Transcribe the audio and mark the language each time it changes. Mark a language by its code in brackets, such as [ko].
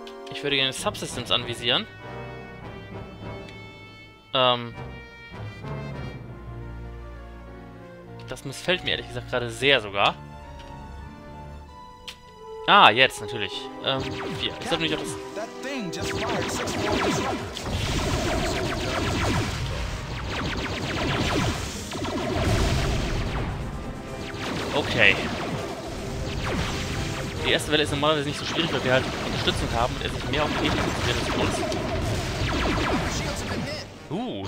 [de] Ich würde gerne Subsystems anvisieren. Das missfällt mir ehrlich gesagt gerade sehr sogar. Ah, jetzt natürlich. Hier, ist das nicht auch das. [en] That thing just fired 6 more. Okay. [de] Die erste Welle ist normalerweise nicht so schwierig, weil wir halt Unterstützung haben und er sich mehr auf den Gegner konzentriert als uns.